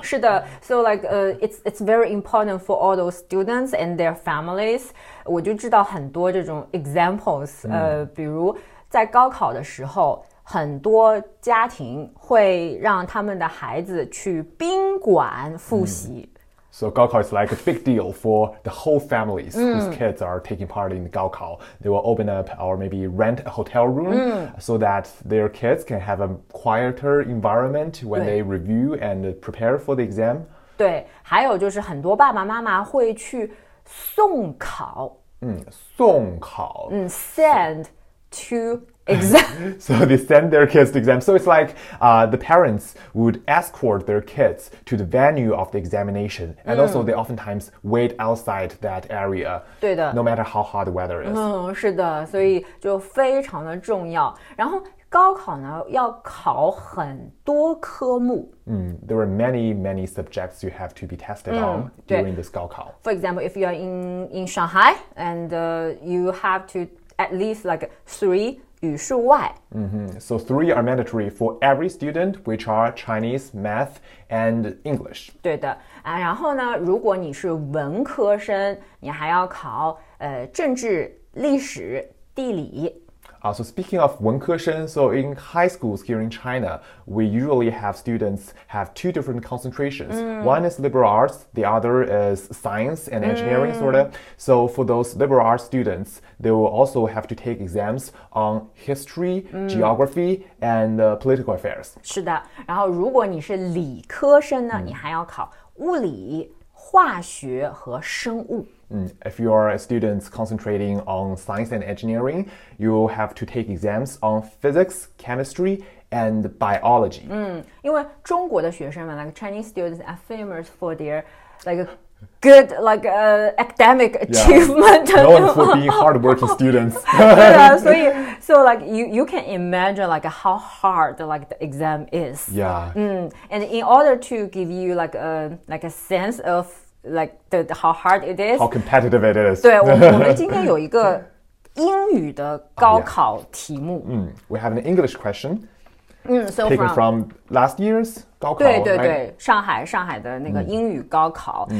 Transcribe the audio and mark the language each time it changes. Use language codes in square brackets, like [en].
[zh] 是的 [en] so like it's very important for all those students and their families [zh] 我就知道很多这种 examples 比如在高考的时候很多家庭会让他们的孩子去宾馆复习、 [en] So 高考 is like a big deal for the whole families whose kids are taking part in 高考 They will open up or maybe rent a hotel room so that their kids can have a quieter environment when they review and prepare for the exam. [zh] 对，还有就是很多爸爸妈妈会去送考。送考。 [en] Send to exam. So they send their kids to exam. So it's like the parents would escort their kids to the venue of the examination. And also they oftentimes wait outside that area. [zh] 对的。 [en] No matter how hot the weather is. [zh] 是的。所以就非常的重要。然后高考呢要考很多科目。 [en] There are many, many subjects you have to be tested on during this 高考。 For example, if you are in Shanghai and you have to at least like 3语数外。 So 3 are mandatory for every student, which are Chinese, Math, and English. [zh] 对的。然后呢如果你是文科生你还要考政治、历史、地理。 [en] So speaking of 文科生 so in high schools here in China, we usually have students have two different concentrations. One is liberal arts, the other is science and engineering, sort of. So for those liberal arts students, they will also have to take exams on history, geography, and political affairs. [zh] 是的，然后如果你是理科生呢，你还要考物理、化学和生物。 [en] If you are a student concentrating on science and engineering, you will have to take exams on physics, chemistry, and biology. Because like Chinese students are famous for their like, good like, academic achievement. Yeah. Known for being hardworking students. so like, you can imagine like, how hard like, the exam is. Yeah. And in order to give you like, a sense of,Like the how hard it is, how competitive it is. [zh] 对，我们今天有一个英语的高考题目。 [en] We have an English question. So taken from last year's 高考。 [zh] 对对对，上海的那个英语高考。